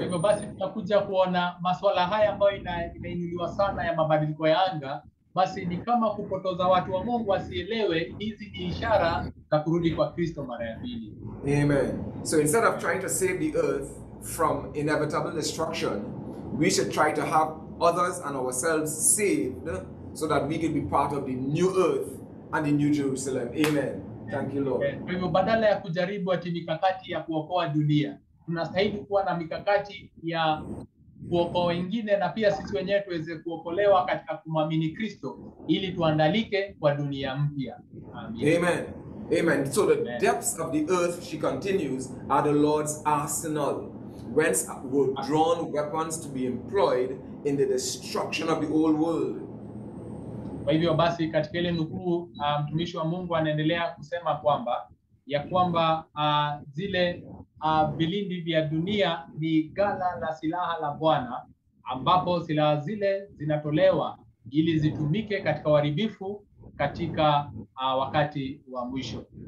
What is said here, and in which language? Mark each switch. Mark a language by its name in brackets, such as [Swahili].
[Swahili] Hivyo basi tunakuja kuona masuala haya ambayo inainuliwa sana ya mabadiliko ya anga, basi ni kama kupotoza watu wa Mungu wasielewe hizi ni ishara za kurudi kwa Kristo mara ya pili. [English] Amen. So instead of trying to save the earth from inevitable destruction, we should try to have others and ourselves saved so that we can be part of the new earth and the new Jerusalem. Amen. Thank you, Lord. [Swahili] Kwa hivyo badala ya kujaribu ati mikakati ya kuokoa dunia, tunastahili kuwa na mikakati ya kuokoa wengine na pia sisi wenyewe tuweze kuokolewa katika kumwamini Kristo ili tuandalike kwa dunia mpya. [English] Amen. Amen. So the depths of the earth, she continues, are the Lord's arsenal, whence were drawn weapons to be employed in the destruction of the old world. [Swahili] Kwa hivyo basi katika ile nukuu mtumishi wa Mungu anaendelea kusema kwamba zile vilindi vya dunia ni gala la silaha la Bwana ambapo silaha zile zinatolewa ili zitumike katika uharibifu katika wakati wa mwisho.